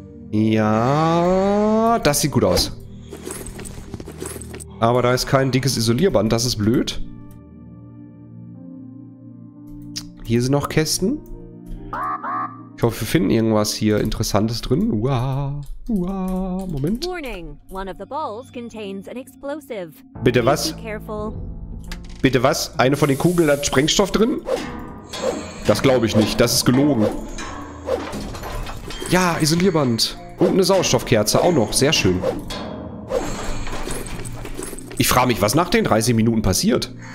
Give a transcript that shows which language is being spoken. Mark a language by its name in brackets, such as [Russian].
[German] Ja, das sieht gut aus. Aber da ist kein dickes Isolierband, das ist blöd. Hier sind noch Kästen. Ich hoffe, wir finden irgendwas hier Interessantes drin. [English] Moment. Warning. One of the balls contains an explosive. [German] Bitte was? Bitte was? Eine von den Kugeln hat Sprengstoff drin? Das glaube ich nicht. Das ist gelogen. Ja, Isolierband. Und eine Sauerstoffkerze auch noch. Sehr schön. Ich frage mich, was nach den 30 Minuten passiert.